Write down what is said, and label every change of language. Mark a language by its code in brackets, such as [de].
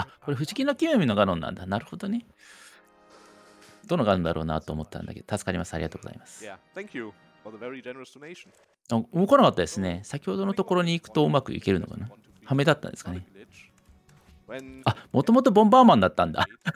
[ja] あ、これ不思議な奇妙のガロンなんだ。なるほどね。どのガロンだろうなと思ったんだけど、助かります。ありがとうございます。 [en] Yeah, thank you for the very generous donation. [ja] 動かなかったですね。先ほどのところに行くとうまくいけるのかな。ハメだったんですかね。あ、もともとボンバーマンだったんだ。